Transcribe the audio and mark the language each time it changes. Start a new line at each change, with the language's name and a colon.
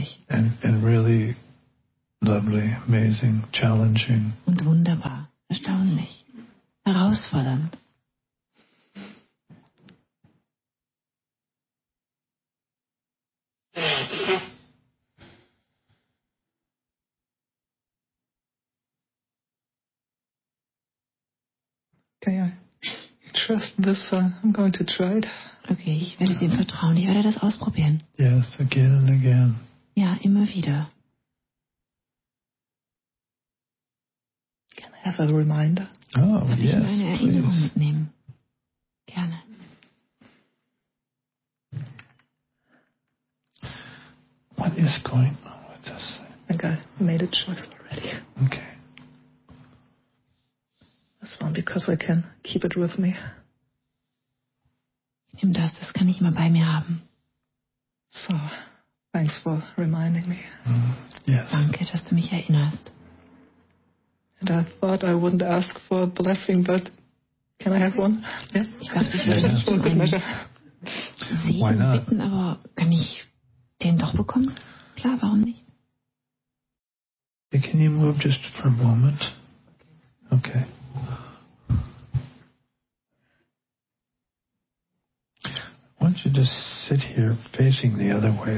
English: And really lovely, amazing, challenging.
German: Und wunderbar, erstaunlich, herausfordernd.
English: Okay, trust this one. I'm going to try it.
German: Okay, ich werde dem vertrauen. Ich werde das ausprobieren.
English: Yes, again and again.
German: Ja, immer wieder.
English: Can I have a reminder? Oh, yes,
German: Darf ich meine Erinnerung mitnehmen? Gerne.
English: What is going on with this thing? Okay, I made a choice already. Okay. This one, because I can keep it with me.
German: Nimm das, das kann ich immer bei mir haben.
English: So, thanks for reminding me. Yes.
German: Danke, dass du mich erinnerst.
English: And I thought I wouldn't ask for a blessing, but can I have one? Yeah.
German: Ich dachte, ich würde nicht um einen Segen bitten, aber kann ich den doch bekommen? Klar, warum nicht?
English: Can you move just for a moment? Okay. Why don't you just sit here facing the other way?